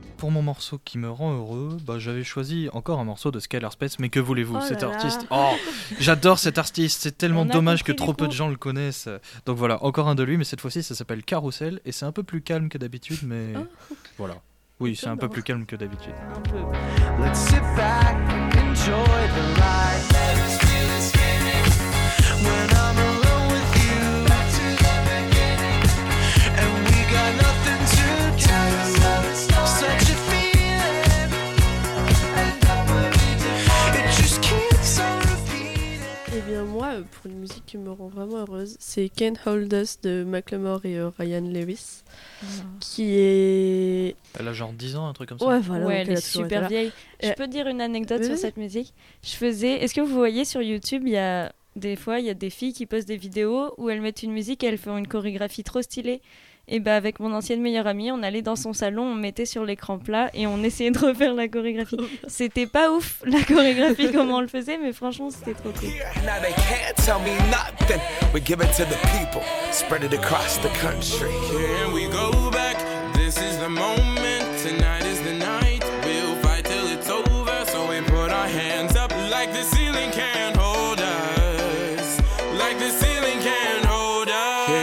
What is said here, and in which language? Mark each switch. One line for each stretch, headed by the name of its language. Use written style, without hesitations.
French: Morceau qui me rend heureux, j'avais choisi encore un morceau de Skylar Space, mais que voulez-vous, oh cet là artiste, là. Oh, j'adore cet artiste, c'est tellement dommage que trop peu de gens le connaissent, donc voilà, encore un de lui, mais cette fois-ci ça s'appelle Carousel, et c'est un peu plus calme que d'habitude, mais voilà, oui c'est un peu plus calme que d'habitude.
English: Let's sit back and enjoy the life.
French: Moi, pour une musique qui me rend vraiment heureuse, c'est Can't Hold Us de Macklemore et Ryan Lewis, qui est... Elle a genre 10 ans, un truc comme ça. Ouais, voilà. Ouais, elle est super vieille. Je peux dire une anecdote sur cette musique. Est-ce que vous voyez sur YouTube, il y a des filles qui postent des vidéos où elles mettent une musique et elles font une chorégraphie trop stylée. Et avec mon ancienne meilleure amie, on allait dans son salon, on mettait sur l'écran plat et on essayait de refaire la chorégraphie. C'était pas ouf la chorégraphie comme on le faisait, mais franchement, c'était trop cool.
English: Now they can't tell me nothing. We give it to the people, spread it across the country. Can we go back? This is the moment. Tonight is the night. We'll fight till it's over. So we put our hands up like the ceiling can't hold us. Like the ceiling can't hold us.